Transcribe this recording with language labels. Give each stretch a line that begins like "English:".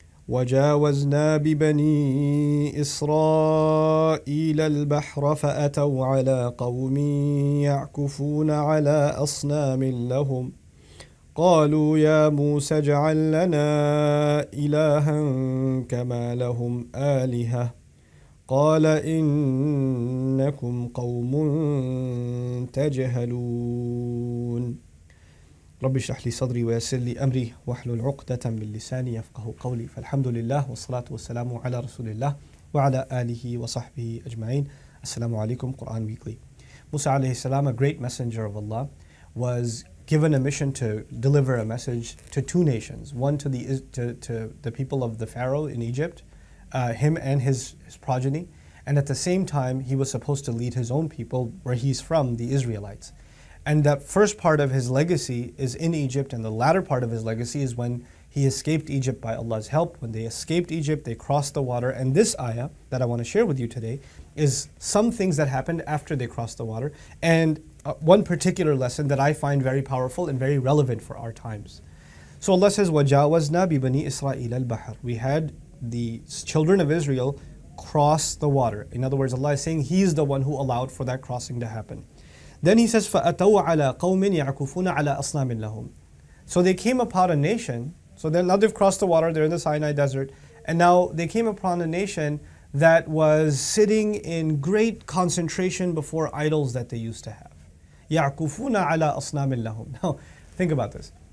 Arabic: وجاوزنا ببني إسرائيل البحر فأتوا على قوم يعكفون على أصنام لهم، قالوا يا موسى اجعل لنا إلها كما لهم آلهة، قال إنكم قوم تجهلون. رب اشرح لي صدري ويسر لي أمري واحلل عقدة من لساني يفقه قولي. فالحمد لله والصلاة والسلام على رسول الله وعلى آله وصحبه أجمعين. السلام عليكم. Quran Weekly.
English: موسى
Arabic: عليه السلام,
English: a great messenger of Allah, was given a mission to deliver a message to two nations, one to the people of the Pharaoh in Egypt, him and his progeny, and at the same time he was supposed to lead his own people where he's from, the Israelites. And that first part of his legacy is in Egypt, and the latter part of his legacy is when he escaped Egypt by Allah's help. When they escaped Egypt, they crossed the water. And this ayah that I want to share with you today is some things that happened after they crossed the water, and one particular lesson that I find very powerful and very relevant for our times. So Allah says,
Arabic: وَجَاوَزْنَا بِبَنِي إِسْرَائِيلَ الْبَحْرِ.
English: We had the children of Israel cross the water. In other words, Allah is saying He is the one who allowed for that crossing to happen. Then he says,
Arabic: فَأَتَوْا عَلَىٰ قَوْمٍ يَعْكُفُونَ عَلَىٰ أَصْنَامٍ لَهُمْ.
English: So they came upon a nation. So now they've crossed the water, they're in the Sinai Desert. And now they came upon a nation that was sitting in great concentration before idols that they used to have.
Arabic: يَعْكُفُونَ عَلَىٰ أَصْنَامٍ لَهُمْ.
English: Now, think about this.